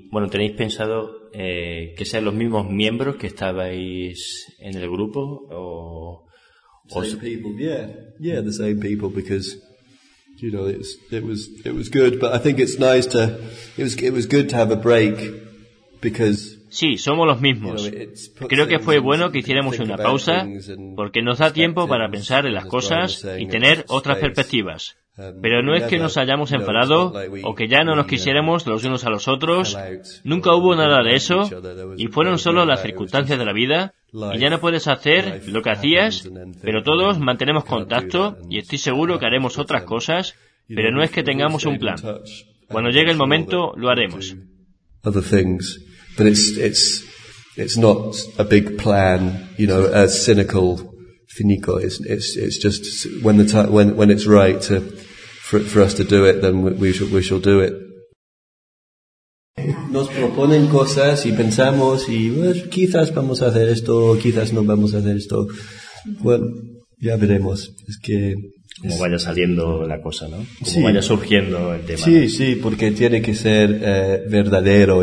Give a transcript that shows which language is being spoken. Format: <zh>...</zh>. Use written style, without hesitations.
<es>¿tenéis pensado que sean los mismos miembros que estabais en el grupo?</es> <en>The same people, because, you know, it was good, but I think it was good to have a break, because...</en> <es>Sí, somos los mismos. Creo que fue bueno que hiciéramos una pausa porque nos da tiempo para pensar en las cosas y tener otras perspectivas. Pero no es que nos hayamos enfadado o que ya no nos quisiéramos los unos a los otros. Nunca hubo nada de eso y fueron solo las circunstancias de la vida y ya no puedes hacer lo que hacías, pero todos mantenemos contacto y estoy seguro que haremos otras cosas, pero no es que tengamos un plan. Cuando llegue el momento, lo haremos.</es> <en>But it's not a big plan, you know, a cynical finico. It's just when it's right for us to do it, then we shall do it.</en> <es>Nos proponen cosas y pensamos y pues, quizás vamos a hacer esto, quizás no vamos a hacer esto. Bueno, ya veremos. Es que como vaya saliendo la cosa, ¿no? Como sí, vaya surgiendo el tema. Sí, sí, porque tiene que ser verdadero.</es>